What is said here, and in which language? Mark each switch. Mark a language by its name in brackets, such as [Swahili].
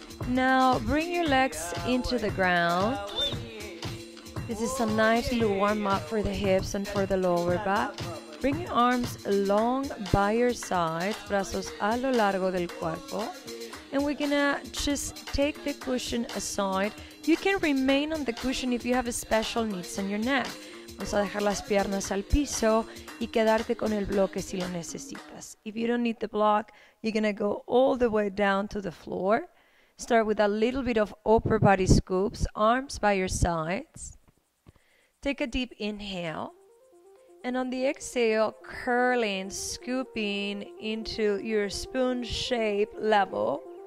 [English] Now bring your legs into the ground. This is a nice little warm up for the hips and for the lower back. Bring your arms long by your side, [Spanish] brazos a lo largo del cuerpo. [English] And we're gonna just take the cushion aside. You can remain on the cushion if you have a special needs on your neck. [Spanish] Vamos a dejar las piernas al piso y quedarte con el bloque si lo necesitas. [English] If you don't need the block, you're going to go all the way down to the floor. Start with a little bit of upper body scoops, arms by your sides. Take a deep inhale. And on the exhale, curling, scooping into your spoon shape level.